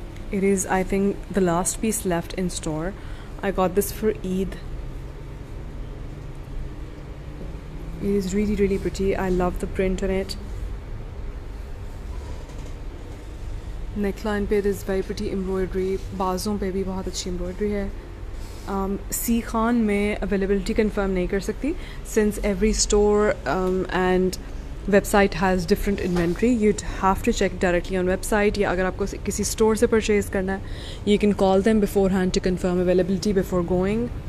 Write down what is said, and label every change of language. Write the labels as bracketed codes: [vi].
[en] It is, I think, the last piece left in store. I got this for Eid. It is really, really pretty. I love the print on it. Neckline pe there's very pretty embroidery. [ur] بازوؤں پہ بھی بہت اچھی embroidery ہے۔ [en] سی خان میں availability confirm [ur] نہیں کر سکتی، [en] since every store and website has different inventory. You'd have to check directly on website. [ur] یا اگر آپ کو کسی store سے purchase کرنا ہے، [en] you can call them beforehand to confirm availability before going.